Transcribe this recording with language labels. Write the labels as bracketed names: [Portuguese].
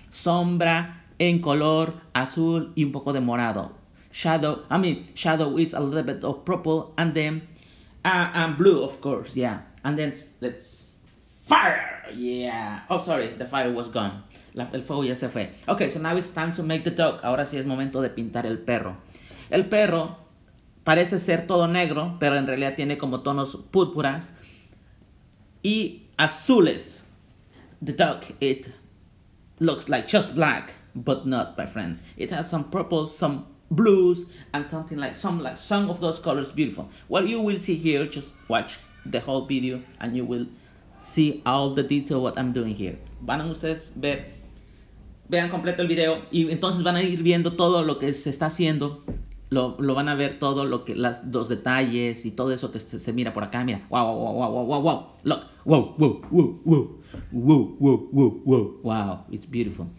[Spanish] Sombra en color azul y un poco de morado. [English] Shadow is a little bit of purple and then and blue, of course, yeah. And then let's fire, yeah. Oh, sorry, the fire was gone. [Spanish] El fuego ya se fue. [English] Okay, so now it's time to make the dog. [Spanish] Ahora sí es momento de pintar el perro. El perro parece ser todo negro, pero en realidad tiene como tonos púrpuras y azules. [English] The dog, it looks like just black, but not, my friends. It has some purples, some blues, and something like some of those colors beautiful. What you will see here, just watch the whole video and you will see all the detail what I'm doing here. [Spanish] Van a ustedes ver, vean completo el video y entonces van a ir viendo todo lo que se está haciendo. Lo van a ver todo lo que las dos detalles y todo eso que se mira por acá. Mira, [English] wow. Look, wow, it's beautiful.